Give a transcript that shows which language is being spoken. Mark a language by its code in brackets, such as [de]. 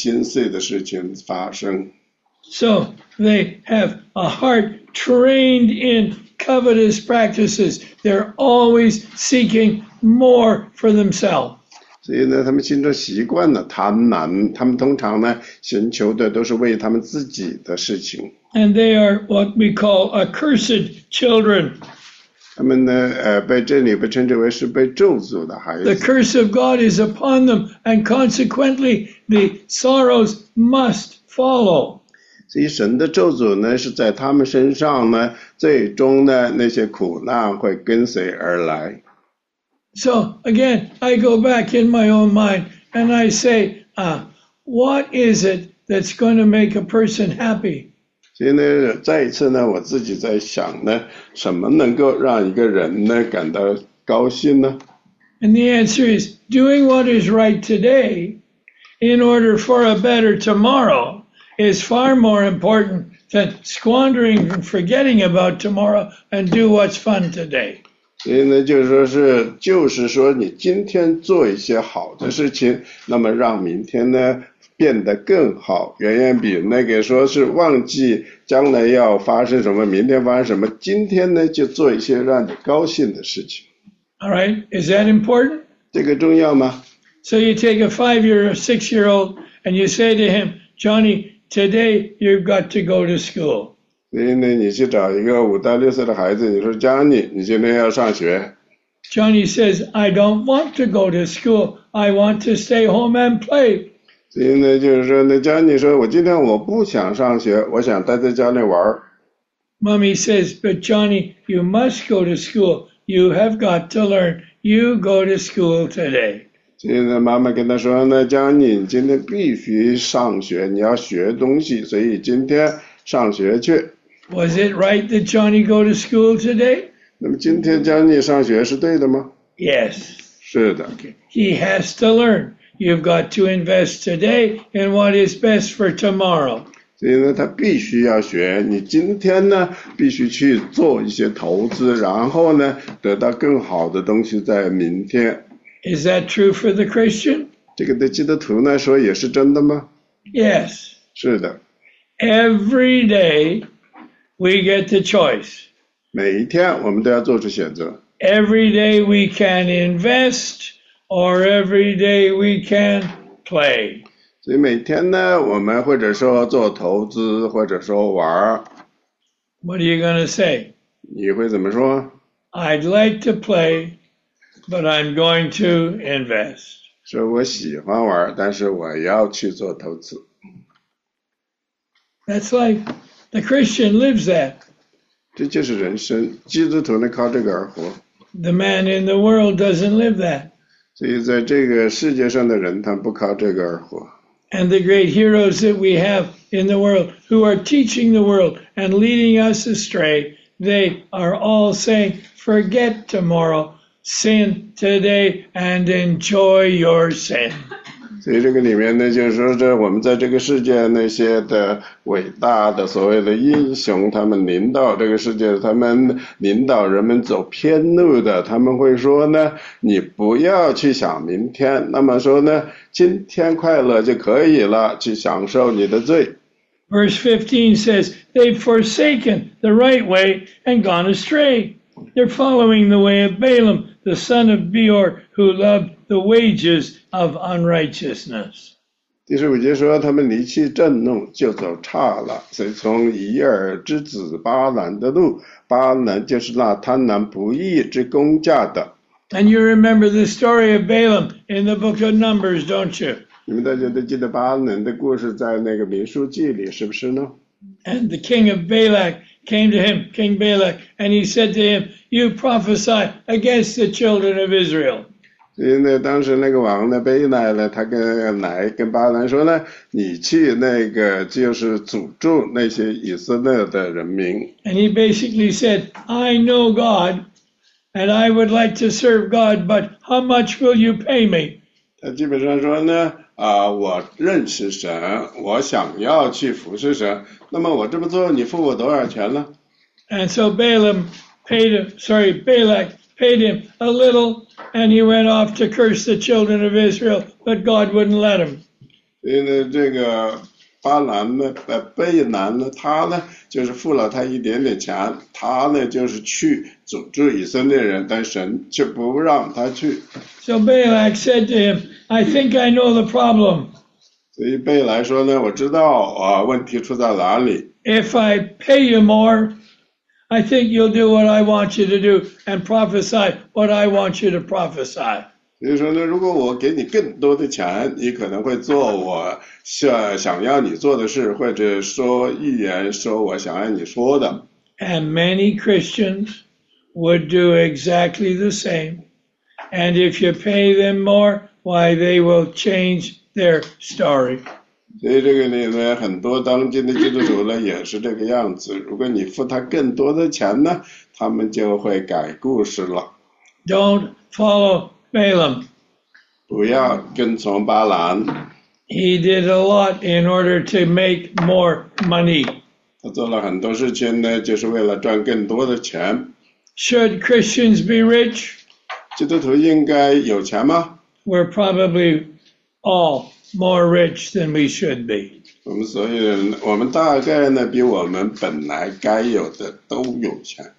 [zh] 所以呢，他们呢就在一段时间非常的有名，就算在他们成功的那个时间呢，在他们内心呢，通常呢有非常令他们心碎的事情发生。 [en] So they have a heart trained in covetous practices. They're always seeking more for themselves. [zh] 所以呢，他们心中习惯了贪婪，他们通常呢寻求的都是为他们自己的事情。 [en] And they are what we call accursed children. [zh] 他们呢，被这里被称之为是被咒诅的孩子。 [en] The curse of God is upon them, and consequently, the sorrows must follow. [zh] 所以神的咒诅呢，是在他们身上呢，最终呢，那些苦难会跟随而来。 [en] So again, I go back in my own mind and I say, what is it that's going to make a person happy? [zh] 现在再一次呢，我自己在想呢，什么能够让一个人呢感到高兴呢？ [en] And the answer is doing what is right today in order for a better tomorrow is far more important than squandering and forgetting about tomorrow and do what's fun today. [zh] 所以呢，就是说你今天做一些好的事情，那么让明天呢变得更好，远远比那个说是忘记将来要发生什么，明天发生什么，今天呢就做一些让你高兴的事情。 [en] All right, is that important? [zh] 这个重要吗？ [en] So you take a 5-year or 6-year old and you say to him, Johnny, today you've got to go to school. [zh] 所以呢，你去找一个5到6岁的孩子，你说 Johnny, 你今天要上学。 [en] Johnny says, I don't want to go to school. I want to stay home and play. [zh] 所以呢，就是说呢， Johnny 说，我今天我不想上学，我想待在家里玩。 [en] Mommy says, but Johnny, you must go to school. You have got to learn. You go to school today. [zh] 所以呢，妈妈跟他说呢，江宁今天必须上学，你要学东西，所以今天上学去。 [en] Was it right that Johnny go to school today? [zh] 那么今天江宁上学是对的吗？ [en] Yes. [zh] 是的。 [en] Okay. He has to learn. You've got to invest today in what is best for tomorrow. [zh] 所以呢，他必须要学。你今天呢，必须去做一些投资，然后呢，得到更好的东西在明天。 [en] Is that true for the Christian? [zh] 这个对基督徒来说也是真的吗？ [en] Yes. [zh] 是的。 [en] Every day we get the choice. [zh] 每一天我们都要做出选择。 [en] Every day we can invest or every day we can play. [zh] 所以每天呢，我们或者说做投资，或者说玩儿。 [en] What are you going to say? [zh] 你会怎么说？ [en] I'd like to play, but I'm going to invest. [zh] 说我喜欢玩，但是我要去做投资。 [en] That's life. The Christian lives that. [zh] 这就是人生，基督徒呢靠这个而活。 [en] The man in the world doesn't live that. [zh] 所以在这个世界上的人，他不靠这个而活。 [en] And the great heroes that we have in the world who are teaching the world and leading us astray, they are all saying, forget tomorrow, sin today and enjoy your sin. [zh] 所以这个里面呢，就是说我们在这个世界那些的伟大的所谓的英雄，他们领导这个世界，他们领导人们走偏路的，他们会说呢，你不要去想明天，那么说呢，今天快乐就可以了，去享受你的罪。 [en] Verse 15 says, they've forsaken the right way and gone astray. They're following the way of Balaam, the son of Beor, who lovedthe wages of unrighteousness. [zh] 第十五节说他们离弃正路就走差了，随从以尔之子巴兰的路，巴兰就是那贪婪不义之工价的。 [en] And you remember the story of Balaam in the book of Numbers, don't you? [zh] 你们大家都记得巴兰的故事在那个民数记里是不是呢？ [en] And the king of Balak came to him, King Balak, and he said to him, you prophesy against the children of Israel. [zh] 因为当时那个王呢，贝奈呢，他跟巴兰说呢，你去那个就是诅咒那些以色列的人民。 [en] And he basically said, I know God, and I would like to serve God, but how much will you pay me? [zh] 他基本上说呢，我认识神，我想要去服侍神，那么我这么做，你付我多少钱呢？ [en] And so Balak paid him a little. And he went off to curse the children of Israel, but God wouldn't let him. [zh] 因为这个巴兰呢，贝南呢，他呢就是付了他一点点钱，他呢就是去诅咒以色列人，但神却不让他去。 [en] So Balak said to him, I think I know the problem. [zh] 所以贝莱说呢，我知道啊，问题出在哪里。 [en] If I pay you more. I think you'll do what I want you to do and prophesy what I want you to prophesy. [zh] 所以说呢，如果我给你更多的钱，你可能会做我想要你做的事，或者说预言说我想要你说的。 [en] And many Christians would do exactly the same And if you pay them more, why, they will change their story. [zh] 所以这个里面很多当今的基督徒呢也是这个样子，如果你付他更多的钱呢，他们就会改故事了。 [en] Don't follow Balaam. [zh] 不要跟从巴兰。 [en] He did a lot in order to make more money. [zh] 他做了很多事情呢，就是为了赚更多的钱。 [en] Should Christians be rich? [zh] 基督徒应该有钱吗？ [en] We're probably all more rich than we should be. [zh] 我们所有人，我们大概呢，比我们本来该有的都有钱。